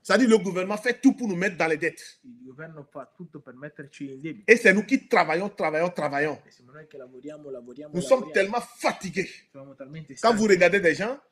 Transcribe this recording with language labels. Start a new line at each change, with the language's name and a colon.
French: Ça dit, le gouvernement fait tout pour nous mettre dans les dettes.
Italian: Il governo fa tutto per metterci in debito.
French: Et c'est nous qui travaillons.
Italian: E siamo noi che lavoriamo,
French: Nous sommes tellement fatigués.
Italian: Siamo talmente stanchi.
French: Quand vous regardez des gens.